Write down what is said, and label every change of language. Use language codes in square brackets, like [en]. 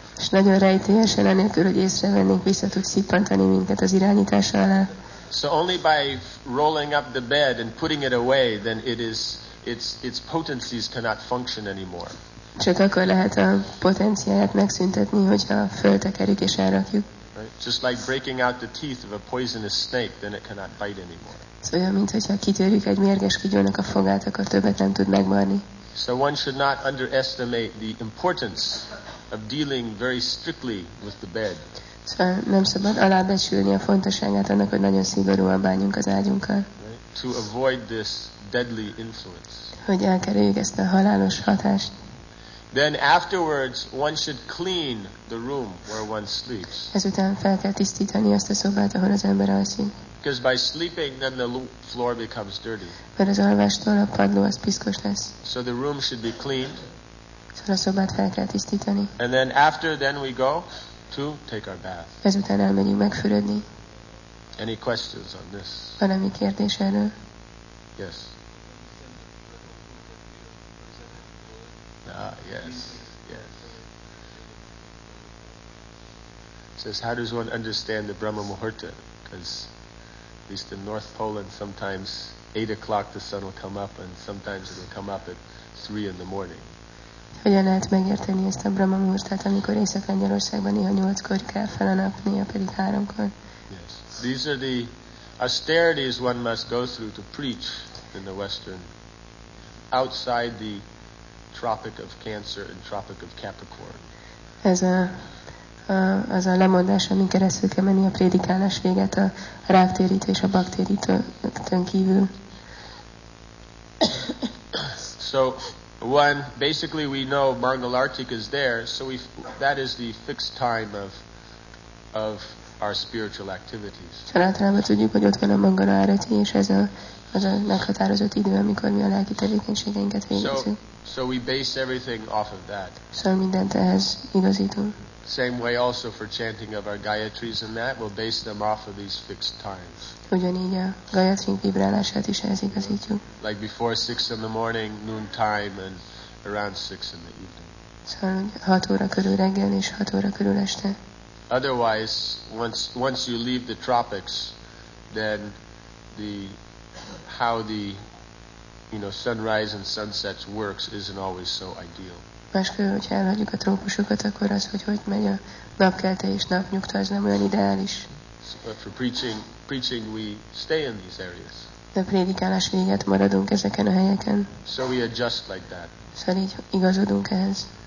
[hu] És nagyon rejtélyesen, anélkül, hogy észrevennénk, vissza tud szippantani minket az irányítása alá. [en] So only by rolling up the bed and putting it away, then its potencies cannot function anymore. [hu] Csak akkor lehet a potenciáját megszüntetni, hogyha föltekerjük és elrakjuk. [en] Right? Just like breaking out the teeth of a poisonous snake, then it cannot bite anymore. [hu] Szóval, mint hogyha kitörjük egy mérges kígyónak a fogát, akkor többet nem tud megmarni. [en] So one should not underestimate the importance of dealing very strictly with the bed. [hu] Szóval nem szabad alábecsülni a fontosságát annak, hogy nagyon szigorúan bánjunk az ágyunkkal. [en] Right? To avoid this deadly influence. [hu] Hogy elkerüljük ezt a halálos hatást. [en] Then afterwards, one should clean the room where one sleeps. [hu] Ezután fel kell tisztítani azt a szobát, ahol az ember alszik. [en] Because by sleeping, then the floor becomes dirty. [hu] Mert az alvástól a padló az piszkos lesz. [en] So the room should be cleaned. [hu] Szóval a szobát fel kell tisztítani. [en] And then after, then we go to take our bath. [hu] Ezután elmegyünk megfürödni. [en] Any questions on this? [hu] Valami kérdés erről? [en] Yes. Yes. Says, how does one understand the Brahma Muhurta? Because at least in North Poland, sometimes 8 o'clock the sun will come up, and sometimes it will come up at 3 in the morning. [hu] Hogyan lehet megérteni ezt a Brahma Muhurtát, amikor Észak-Lengyelországban néha 8-kor kell fel a nap, néha pedig 3-kor? [en] Yes. These are the austerities one must go through to preach in the Western, outside the Tropic of Cancer and Tropic of Capricorn. [hu] Ez a, az a lemondás, amin keresztül kell menni a prédikálás véget a ráktérít és a baktérítőn kívül. [en] So, one, basically we know Mangalartik is there, so we, that is the fixed time of our spiritual activities. [hu] Általában tudjuk, hogy ott van a Mangalartik, és ez a, az a meghatározott idő, amikor mi a lelki tevékenységeinket végezzük. [en] So we base everything off of that. [hu] So mindent ehhez igazítunk. [en] Same way also for chanting of our Gayatris and that, we'll base them off of these fixed times. [hu] Ugyanígy a Gayatrink vibrálását is ehhez igazítjuk. [en] Like before 6 in the morning, noon time, and around 6 in the evening. [hu] Szóval 6 óra körül reggel és 6 óra körül este. [en] Otherwise, once you leave the tropics, then the how the you know sunrise and sunsets works isn't always so ideal. [hu] Máskor, hogyha elhagyjuk a trópusokat, akkor az, hogy hogy megy a napkelte és napnyugta, az nem olyan ideális. [en] But for preaching, we stay in these areas. [hu] De prédikálás véget maradunk ezeken a helyeken. [en] So we adjust like that. [hu] Szóval így igazodunk ehhez.